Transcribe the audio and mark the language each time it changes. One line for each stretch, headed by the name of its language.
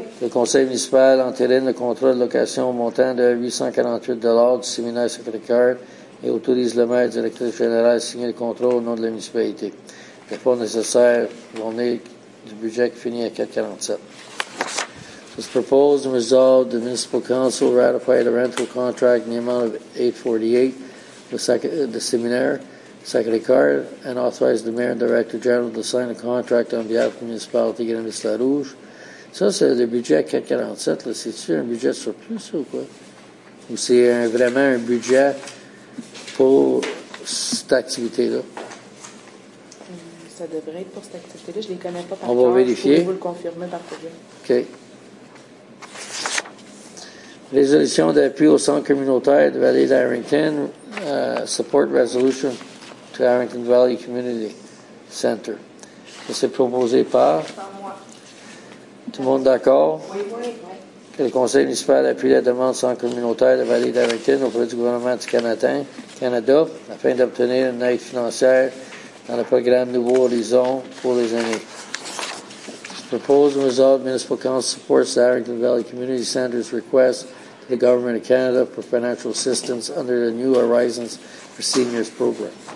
French: Le conseil municipal entérine le contrat de location au montant de 848 du séminaire Sacré-Cœur et autorise le maire directeur général à signer le contrat au nom de la municipalité. Les fonds nécessaires vont venir du budget qui finit à 447.
English: It's proposed and resolved the municipal council ratify the rental contract in the amount of 848 with the seminaire Sacré-Cœur and authorize the mayor and director general to sign a contract on behalf of the municipality of Miss La Rouge.
French: Ça, c'est le budget 447, là. C'est-tu un budget surplus ou quoi? Ou c'est vraiment un budget pour cette activité-là? Ça devrait être pour cette activité-là. Je ne les connais pas par cœur. Je vais vous le confirmer par courriel. OK. Résolution d'appui au centre communautaire de Vallée d'Arrington.
English: Support resolution to Arrington Valley Community Center.
French: Ça, c'est proposé par... Tout le monde d'accord? Oui, oui, oui. Le conseil municipal appuie la demande sans communautaire de Vallée d'Arrington auprès du gouvernement du Canada afin d'obtenir une aide financière dans le programme Nouveau Horizon pour les aînés.
English: Proposed and resolved, municipal council supports the Arrington Valley Community Center's request to the government of Canada for financial assistance under the New Horizons for Seniors program.